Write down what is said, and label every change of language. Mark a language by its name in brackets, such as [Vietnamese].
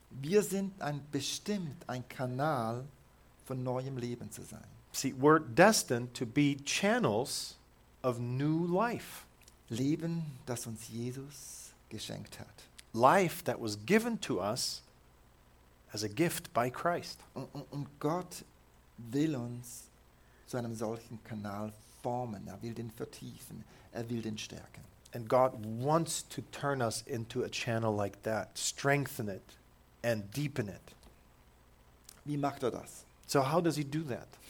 [German] Wir sind bestimmt ein Kanal von neuem Leben zu sein. [English] See, we're destined to be channels of new life. [German] Leben, das uns Jesus geschenkt hat. [English] life that was given to us as a gift by Christ. [German] Und Gott will uns zu einem solchen Kanal formen. Er will den vertiefen. Er will den stärken. [English] And God wants to turn us into a channel like that, strengthen it and deepen it. [German] Wie macht er das? [English] So how does he do that?